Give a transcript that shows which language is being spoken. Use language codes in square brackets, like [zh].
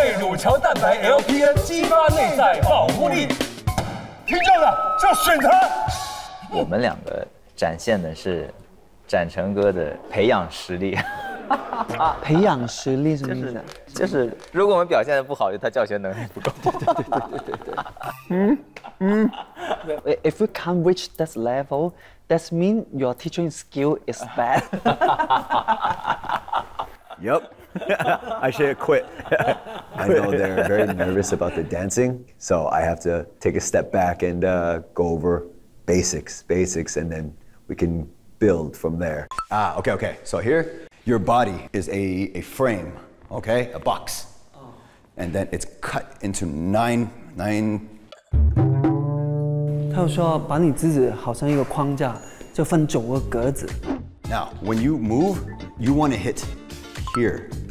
[zh] 倍乳桥蛋白 LPN 激发内在保护力。听到的就选他。我们两个展现的是展成哥的培养实力。培养实力什么意思？就是如果我们表现得不好，就他教学能力不够。对。 [en] If we can't reach that level, that means your teaching skill is bad. Yup. I should quit. I know they're very nervous about the dancing, so I have to take a step back and go over basics, and then we can build from there. Okay. So here. Your body is a frame, okay? A box. Oh. And then it's cut into nine. [zh] 他有说把你自己好像一个框架就分九个格子。 [en] Now, when you move, you want to hit here.